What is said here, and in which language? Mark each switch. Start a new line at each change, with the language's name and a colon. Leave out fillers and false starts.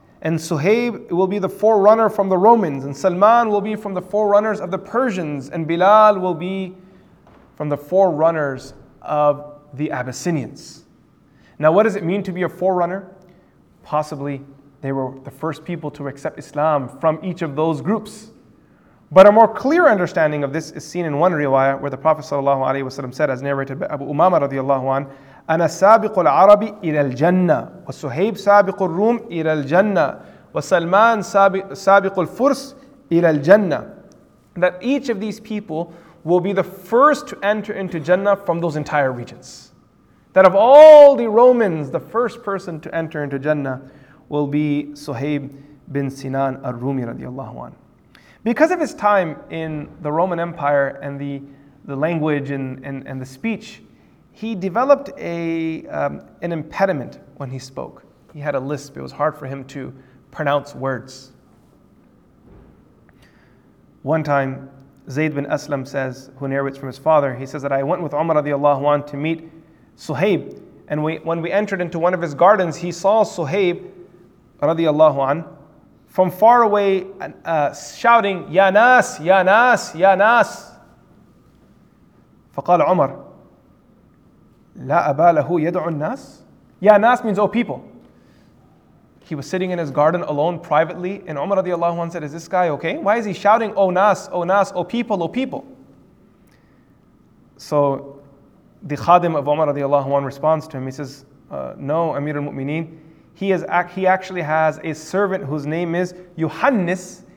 English: And Suhaib will be the forerunner from the Romans, and Salman will be from the forerunners of the Persians, and Bilal will be from the forerunners of the Abyssinians. Now, what does it mean to be a forerunner? Possibly they were the first people to accept Islam from each of those groups. But a more clear understanding of this is seen in one riwayah where the Prophet ﷺ said, as narrated by Abu Umama radiallahu anhu,
Arabic: أنا سابق العربي إلى الجنة وسهيب سابق الروم إلى الجنة وسلمان سابق الفرس إلى الجنة.
English: That each of these people will be the first to enter into Jannah from those entire regions. That of all the Romans, the first person to enter into Jannah will be Suhaib bin Sinan al-Rumi radiallahu anhu. Because of his time in the Roman Empire and the language and the speech, he developed an impediment when he spoke. He had a lisp. It was hard for him to pronounce words. One time, Zayd bin Aslam says, who narrates from his father, he says that I went with Umar radiallahu anhu to meet Suhaib. And when we entered into one of his gardens, he saw Suhaib radiallahu anhu from far away shouting,
Arabic: Ya Nas, Ya Nas, Ya Nas. فقال عمر لا أبا له يدعو الناس.
English: Ya Nas means, oh people. He was sitting in his garden alone privately, and Umar radiallahu anhu said, is this guy okay? Why is he shouting, oh Nas, oh Nas, oh people, oh people? So the khadim of Umar radiallahu anhu responds to him. He says, no, Amir al-Mu'mineen, he actually has a servant whose name is Yuhannis.